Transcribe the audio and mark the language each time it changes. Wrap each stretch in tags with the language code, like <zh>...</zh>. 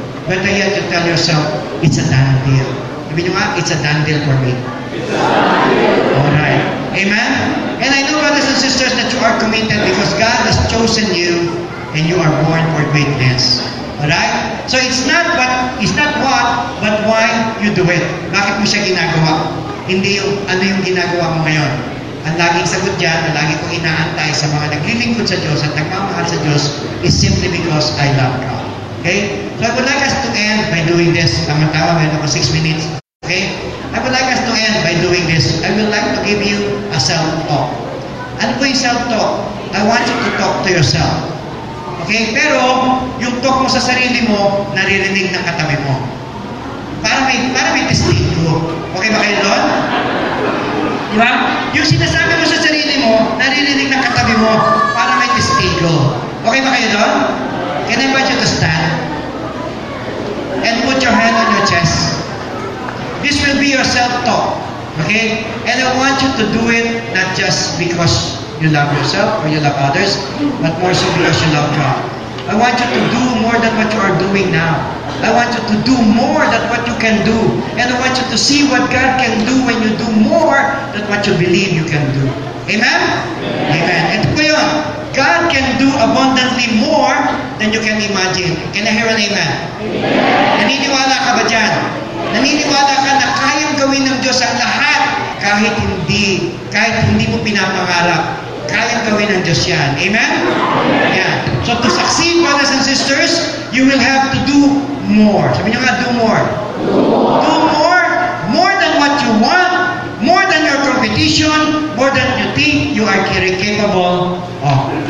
<en>Better yet, you tell yourself, it's a done deal.</en> <tl>Sabi nyo nga,</tl> <en>it's a done deal for me. Alright. Amen? And I know, brothers and sisters, that you are committed because God has chosen you and you are born for greatness. Alright? So it's not what, but why you do it.</en> <tl>Bakit mo siya ginagawa? Hindi yung ano yung ginagawa mo ngayon. Ang laging sagot dyan, na lagi kong inaantay sa mga naglilingkod sa Diyos at nagmamahal sa Diyos</tl> <en>is simply because I love God. Okay? So I would like us to end by doing this.</en> <tl>Tama tawa, mayroon ako 6 minutes.</tl> <en>Okay? I would like us to end by doing this. I would like to give you a self-talk.</en> <tl>Ano po yung self-talk?</tl> <en>I want you to talk to yourself. Okay?</en> <tl>Pero, yung talk mo sa sarili mo, naririnig ng katabi mo. Para may testigo. Okay ba kayo doon? Diba? Yung sinasabi mo sa sarili mo, naririnig ng katabi mo, para may testigo. Okay ba kayo doon?</tl> <en>Can I invite you to stand? And put your hand on your chest. This will be your self-talk. Okay? And I want you to do it not just because you love yourself or you love others, but more so because you love God. I want you to do more than what you are doing now. I want you to do more than what you can do. And I want you to see what God can do when you do more than what you believe you can do. Amen? Amen.</en> <tl>Ito po yun.</tl> <en>God can do abundantly more than you can imagine. Can I hear an amen? Amen.</en> <tl>Naniniwala ka ba dyan? Naniniwala ka na kayang gawin ng Diyos ang lahat kahit hindi mo pinapangarap. Kayang gawin ng Diyos yan.</tl> <en>Amen? Amen. Yeah. So to succeed, brothers and sisters, you will have to do more.</en> <tl>Sabi nyo nga,</tl> <en>do more. Do more. Do more. More than what you want. More than your competition. More than you think you are capable of.</en>